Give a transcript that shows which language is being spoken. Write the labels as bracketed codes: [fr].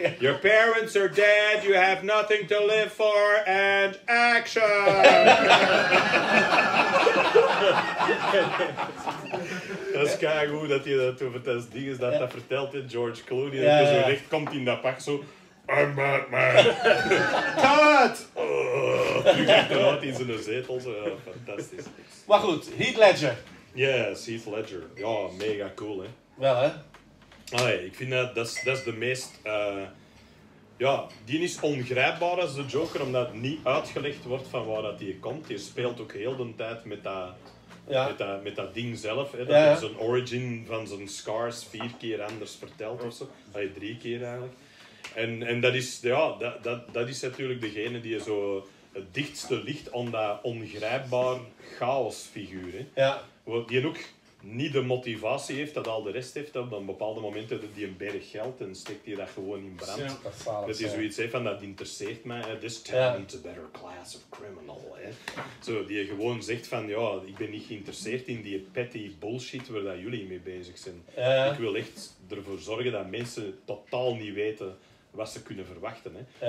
[en] Your parents are dead, you have nothing to live for, and action! [nl] Dat is keigoed dat hij dat over het ding is dat vertelt in George Clooney. Dat hij zo recht komt in dat pak zo. [en] I'm Batman. Cut! [nl] Nu gaat er wat in zijn zetel. Fantastisch. Maar goed, Heath Ledger. Yes, Heath Ledger. Ja, oh, mega cool, hè? Wel, hè? Allee, ik vind dat is de meest... die is ongrijpbaar als de Joker, omdat het niet uitgelegd wordt van waar dat hij komt. Je speelt ook heel de tijd met dat... Met dat ding zelf, hè, dat hij zijn origin van zijn scars 4 keer anders vertelt of zo. Allee, 3 keer eigenlijk. En dat is, dat is natuurlijk degene die zo het dichtste ligt aan dat ongrijpbaar chaosfiguur. Hè. Ja. Die ook niet de motivatie heeft dat al de rest heeft. Op een bepaalde moment heeft hij een berg geld en steekt hij dat gewoon in brand. Dat hij zoiets heeft van, dat interesseert mij. Hè. [en] This town is a better class of criminal. [nl] Hè. Zo, die gewoon zegt van, ik ben niet geïnteresseerd in die [en] petty bullshit [nl] waar dat jullie mee bezig zijn. Ja. Ik wil echt ervoor zorgen dat mensen totaal niet weten wat ze kunnen verwachten. Hè.